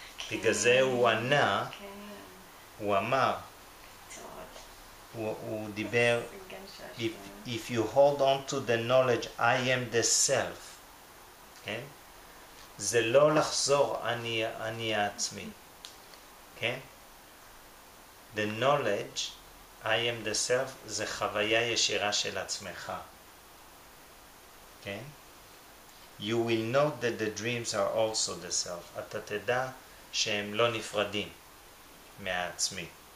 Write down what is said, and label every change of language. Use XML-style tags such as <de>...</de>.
<he>בגלל זה הוא ענה, הוא אמר, הוא דיבר,</he> <en>if you hold on to the knowledge, I am the self.</en> <he>כן? זה לא לחזור, אני עצמי. כן?</he> <en>The knowledge, I am the self,</en> <he>זה חוויה ישירה של עצמך. כן?</he> <en>You will know that the dreams are also the self.</en> <he>אתה תדע שהם לא נפרדים מהעצמי.</he>